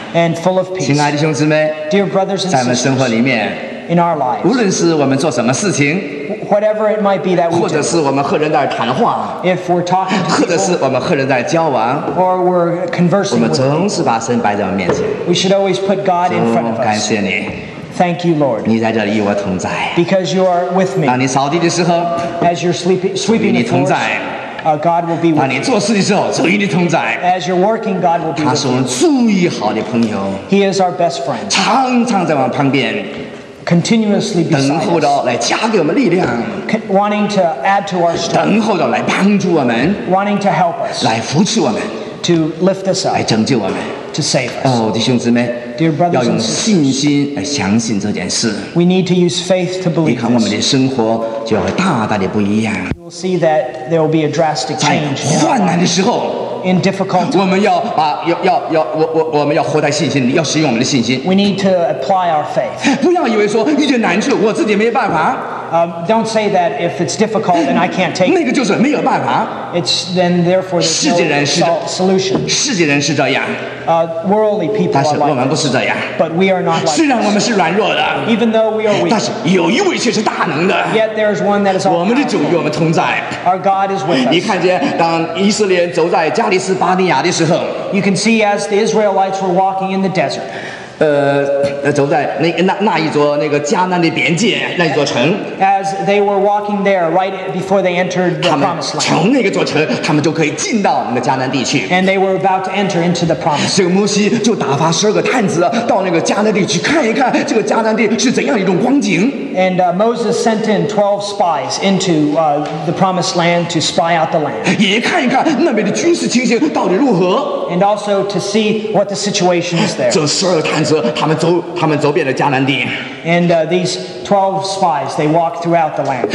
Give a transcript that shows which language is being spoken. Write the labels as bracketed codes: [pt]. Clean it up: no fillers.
[en] And full of peace. [zh] 亲爱的兄姊妹。 [en] Dear brothers and sisters. [zh] 在我们生活里面。 [en] In our lives, [zh] 无论是我们做什么事情 [en] whatever it might be that we do, [zh] 或者是我们和人在谈话 [en] if we're talking to people, [zh] 或者是我们和人在交往 [en] or we're conversing with people, [zh] 我们总是把神摆在我们面前 [en] we should always put God in front of us. [zh] 感谢你 [en] Thank you, Lord. [zh] 你在这里与我同在 [en] because you are with me. [zh] 当你扫地的时候 [en] as you're sweeping the floors, God will be with you. [zh] 当你做事的时候主与你同在 [en] as you're working, God will be with you. [zh] 他是我们最好的朋友 [en] He is our best friend. [zh] 常常在我们旁边 [en] Continuously beside us, [zh] 等候着来加给我们力量 [en] wanting to add to our strength, [zh] 等候着来帮助我们 [en] wanting to help us, [zh] 来扶持我们 [en] to lift us up, [zh] 来拯救我们 [en] to save us. [zh] 哦，弟兄姊妹 [en] dear brothers and sisters, [zh] 要用信心来相信这件事 [en] we need to use faith to believe this. [zh] 你看我们的生活就会大大的不一样 [en] you will see that there will be a drastic change. [zh] 在患难的时候 [en] In difficult times, [zh] 我们要把我们要活在信心里，要使用我们的信心。 [en] We need to apply our faith. [zh] 不要以为说遇见难处我自己没办法。 [en] Don't say that if it's difficult and I can't take. [zh] 那个就是没有办法。 [en] It's then therefore there's no solution. [zh] 世界人是这样。 [en] Worldly people are like. [zh] 但是我们不是这样。 [en] But we are not like. [zh] 虽然我们是软弱的。 [en] Even though we are weak. [zh] 但是有一位却是大能的。 [en] Yet there's one that is all. [zh] 我们的主与我们同在。 [en] Our God is with us. [zh] 你看见当以色列人走在加利斯巴尼亚的时候。 [en] You can see as the Israelites were walking in the desert. [zh] 走在那一座那个迦南的边界那一座城 [en] as they were walking there right before they entered the promised land [zh] 从那个座城他们就可以进到那个迦南地区 [en] and they were about to enter into the promised land [zh] 所以摩西就打发十二个探子到那个迦南地去看一看这个迦南地是怎样一种光景 [en] and Moses sent in 12 spies into the promised land to spy out the land [zh] 也看一看那边的军事情形到底如何 [en] and also to see what the situation is there [zh] 这十二个探子他们走遍了迦南地 [en] and these 12 spies they walked throughout the land